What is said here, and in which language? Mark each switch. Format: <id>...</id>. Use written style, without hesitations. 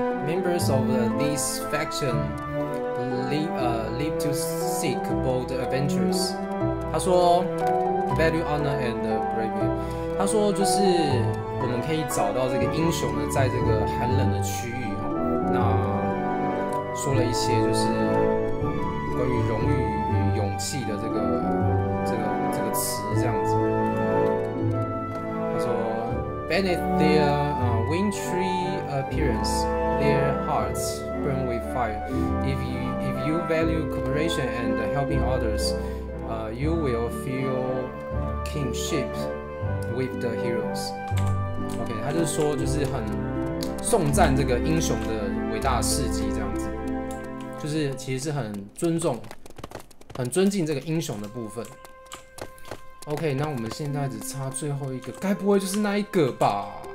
<en>Members of this faction live to seek bold adventures.</en> <zh>他说</zh> <en>，value honor and bravery.</en> <zh>他说就是我们可以找到这个英雄呢，在这个寒冷的区域哈。那说了一些就是关于荣誉与勇气的这个词这样子。</zh> <en>Beneath their wintry appearance, their hearts burn with fire. If you value cooperation and helping others, you will feel kinship with the heroes.</en> <zh>OK， 他就是说，就是很颂赞这个英雄的伟大的事迹，这样子，就是其实是很尊重、很尊敬这个英雄的部分。 OK， 那我们现在只差最后一个，该不会就是那一个吧？</zh>